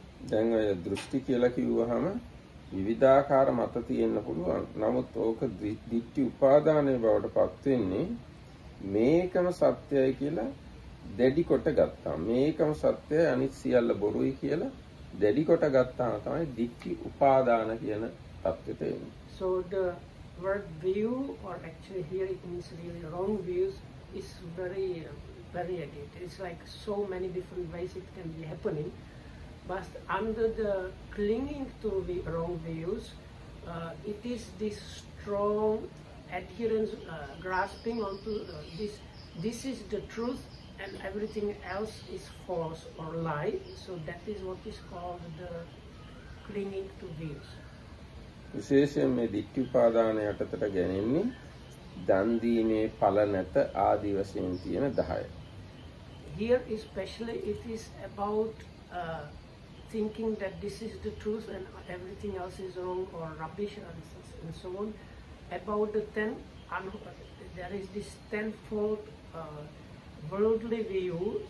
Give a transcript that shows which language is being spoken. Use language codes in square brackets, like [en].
[si] දැන් ඔය දෘෂ්ටි කියලා කිව්වහම විවිධාකාර මත තියෙන්න පුළුවන්. නමුත් ඕක දිට්ඨි උපාදානයේ බවට පත් වෙන්නේ මේකම සත්‍යයි කියලා දැඩි කොට ගත්තා. මේකම සත්‍යයි අනිත් සියල්ල බොරුයි කියලා දැඩි කොට ගත්තාම තමයි දිට්ඨි උපාදාන කියන තත්ත්වෙට එන්නේ. [en] So the word view, or actually here it means really wrong views, is very variegated. It's like so many different ways it can be happening. But under the clinging to the wrong views, it is this strong adherence, grasping onto this. This is the truth, and everything else is false or lie. So that is what is called the clinging to views. [si] විශේෂයෙන්ම ditthi upādāna යටතට ගැනෙන්නේ දන් දීමේ ඵල නැත ආදි වශයෙන් තියෙන 10. [en] Here especially it is about thinking that this is the truth and everything else is wrong or rubbish and so on. About the 10, there is this tenfold worldly view.